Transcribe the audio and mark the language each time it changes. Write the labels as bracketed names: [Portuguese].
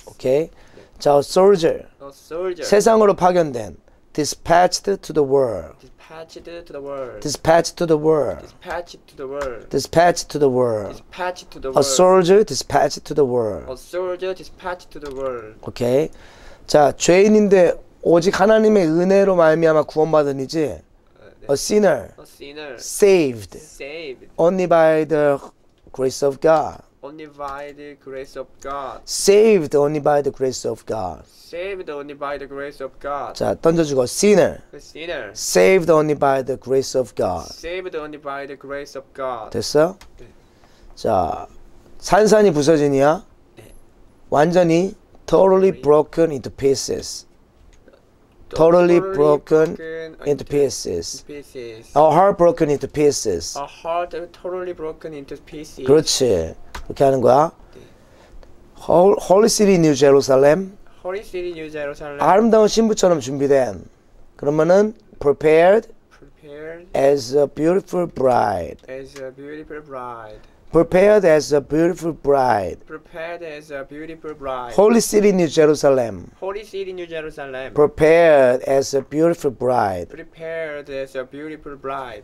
[English] Okay. 자, soldier. A soldier. [Korean] 세상으로 파견된. [English] Dispatched to the world. Dispatched to the world. Dispatched to the world. Dispatched to the world. Dispatched to the world. Dispatched to the world. A soldier dispatched to the world. A soldier dispatched to the world. Okay. [Korean] 자, 죄인인데 오직 하나님의 은혜로 말미암아 구원받으니지. 네. [English] A sinner. Saved. Only by the grace of God. Only by the grace of God. Saved only by the grace of God. Saved only by the grace of God. 자, 던져주고 sinner. A sinner. Saved only by the grace of God. Saved only by the grace of God. [Korean] 됐어? 네. 자, 산산이 부서지니야. 네. 완전히 [English] totally broken into pieces. Totally broken into pieces. Our heart broken into pieces. Our heart totally broken into pieces. [Korean] 그렇지. 그렇게 하는 거야. [English] Holy City, New Jerusalem. Holy City, New Jerusalem. [Korean] 아름다운 신부처럼 준비된. 그러면은 prepared. [English] Prepared. As a beautiful bride. As a beautiful bride. Prepared as a beautiful bride. Prepared as a beautiful bride. Holy City, New Jerusalem. Holy City, New Jerusalem. Prepared as a beautiful bride. Prepared as a beautiful bride.